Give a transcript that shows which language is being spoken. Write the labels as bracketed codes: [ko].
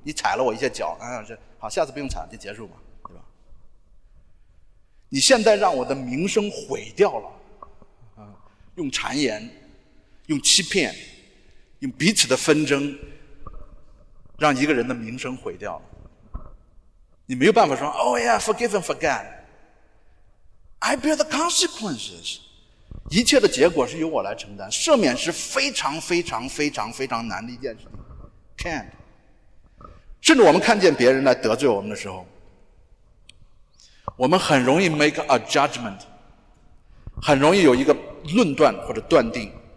[zh] 你踩了我一下脚，啊，好，下次不用踩，就结束吧，对吧？你现在让我的名声毁掉了，用谗言，用欺骗，用彼此的纷争，让一个人的名声毁掉了。你没有办法说 [en] Oh yeah, forgive and forget. I bear the consequences. [zh] 一切的结果是由我来承担。赦免是非常非常非常非常难的一件事情。 [en] Can't. [zh] 甚至我们看见别人来得罪我们的时候，我们很容易 [en] make a judgment， [zh] 很容易有一个论断或者断定。